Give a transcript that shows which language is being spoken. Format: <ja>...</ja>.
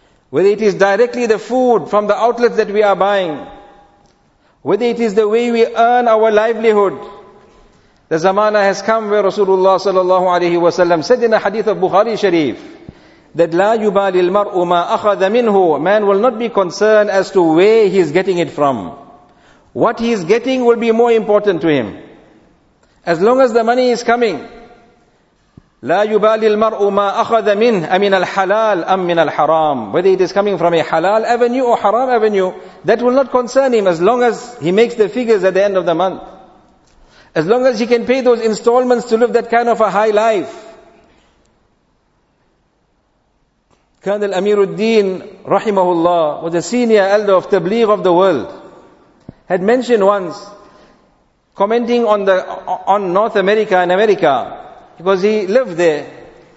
<en>Whether it is directly the food from the outlets that we are buying, whether it is the way we earn our livelihood. The zamana has come where Rasulullah sallallahu alaihi wasallam said in a hadith of Bukhari Sharif that</en> <ar>لا يبالي المرء ما أخذ منه</ar> <en>Man will not be concerned as to where he is getting it from. What he is getting will be more important to him. As long as the money is coming,</en> <ar>لا يبالي المرء ما أخذ منه أمن الحلال أم من الحرام.</ar> <en>Whether it is coming from a halal avenue or haram avenue, that will not concern him as long as he makes the figures at the end of the month. As long as he can pay those installments to live that kind of a high life. Colonel Amiruddin, rahimahullah, was a senior elder of Tabligh of the world, had mentioned once, commenting on North America and America, because he lived there.</en>